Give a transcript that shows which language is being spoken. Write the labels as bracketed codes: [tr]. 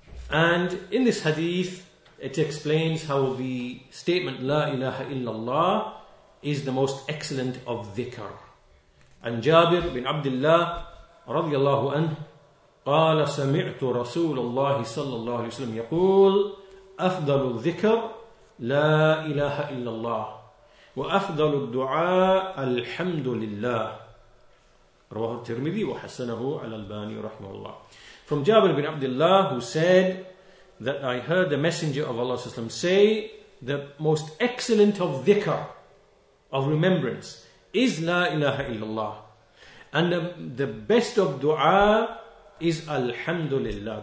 [en] And in this hadith, it explains how the statement La ilaha illallah is the most excellent of dhikr. [ar] And Jabir bin Abdullah radiyallahu anhu قال سمعت رسول الله صلى الله عليه وسلم يقول أفضل الذكر لا إله إلا الله وأفضل الدعاء الحمد لله رواه الترمذي وحسنه على الباني رحمه الله. [en] From Jabir bin Abdullah, who said that I heard the Messenger of Allah صلى الله عليه وسلم say the most excellent of dhikr, of remembrance, is لا إله إلا الله, and the best of dua is Alhamdulillah.